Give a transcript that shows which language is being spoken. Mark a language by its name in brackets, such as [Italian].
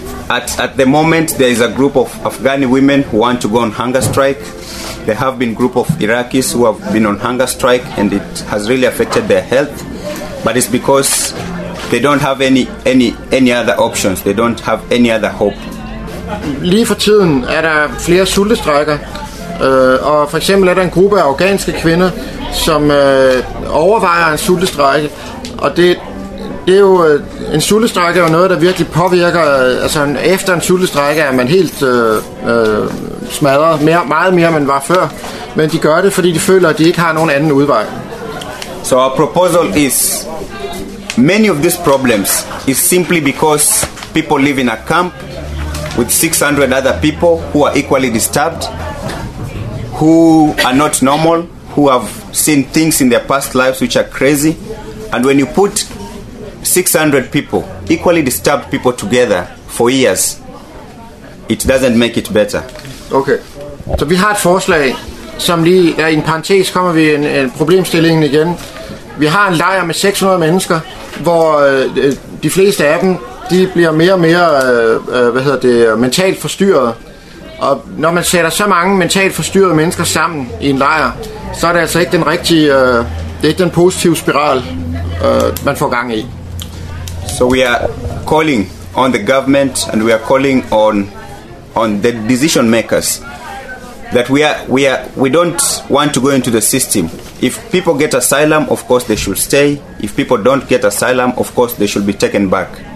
[English] At the moment, there is a group of Afghani women who want to go on hunger strike. There have been group of Iraqis who have been on hunger strike, and it has really affected their health. But it's because they don't have any other options. They don't have any other hope. [Danish] Lige for tiden er der flere sultestrækker, og for eksempel er der en gruppe af afghanske kvinder, som overvejer en sultestrække, og det er jo en sultestrække er jo noget, der virkelig påvirker. Altså efter en sultestrække er man helt smadret, meget mere end man var før, men de gør det, fordi de føler, at de ikke har nogen anden udvej. [English] So our proposal is, many of these problems is simply because people live in a camp with 600 other people who are equally disturbed, who are not normal, who have seen things in their past lives which are crazy. And when you put 600 people, equally disturbed people together for years, it doesn't make it better. [Danish] Okay. Så vi har et forslag, som lige er i en parentes, kommer vi i en problemstilling igen. Vi har en lejr med 600 mennesker, hvor de fleste af dem, de bliver mere og mere mentalt forstyrret. Og når man sætter så mange mentalt forstyrrede mennesker sammen i en lejr, så er det altså ikke den rigtige, det er ikke den positive spiral, man får gang i. [English] So we are calling on the government, and we are calling on the decision makers that we don't want to go into the system. If people get asylum, of course they should stay. If people don't get asylum, of course they should be taken back.